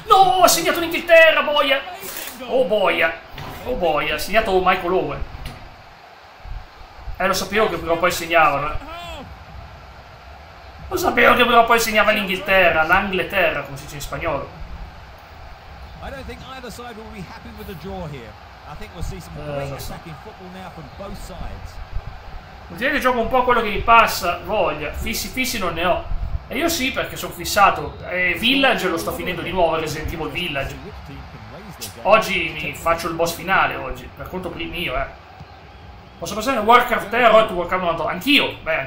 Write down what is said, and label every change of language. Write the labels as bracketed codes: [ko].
[it] No, ha segnato l'Inghilterra, boia! Oh boia, ha segnato Michael Owen. Lo sapevo che prima o poi segnavano. Lo sapevo che prima o poi segnava l'Inghilterra, l'Angleterra, come si dice in spagnolo. [en] I don't think either side will be happy with the draw here. I think we'll see some great attacking football now from both sides. [it] Ultimamente gioco un po' quello che mi passa voglia, fissi non ne ho. E io sì, perché sono fissato. Village lo sto finendo di nuovo, Resident Evil Village. Oggi mi faccio il boss finale, oggi, per conto mio, Posso passare a Warcraft 3, World of Warcraft 90. Anch'io.